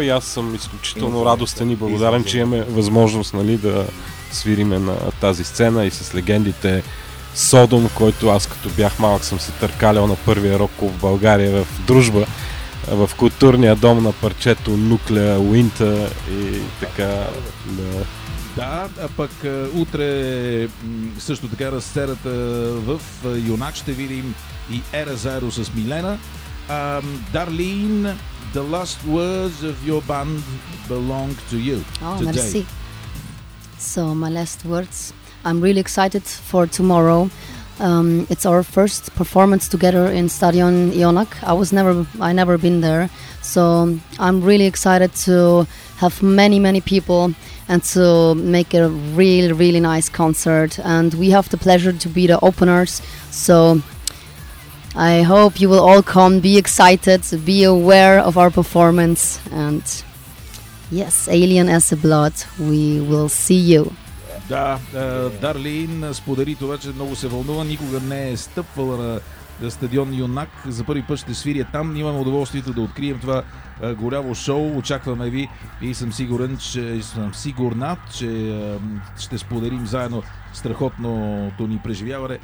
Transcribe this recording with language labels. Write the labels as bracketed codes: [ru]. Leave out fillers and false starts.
[bg] И аз съм изключително радостен и благодарен, че имаме възможност, нали, да свириме на тази сцена и с легендите Содом, който аз като бях малък съм се търкалял на първия рок в България в Дружба, в културния дом на парчето Нуклеа Уинта и така. Да, да, а пък утре също така разсерата в Юнак ще видим и Ера заедно с Милена. [en] Дарлин, the last words of your band belong to you. Oh, merci. So my last words, I'm really excited for tomorrow. It's our first performance together in Stadion Jonak. I never been there, so I'm really excited to have many, many people and to make a really, really nice concert. And we have the pleasure to be the openers, so I hope you will all come, be excited, be aware of our performance, and yes, Alien as a Blood, we will see you. [bg] Да, Дарлин сподели това, че много се вълнува, никога не е стъпвала на стадион Юнак, за първи път ще свири там, имаме удоволствието да открием това голямо шоу, очакваме ви и съм сигурна, че ще споделим заедно страхотното ни преживяване.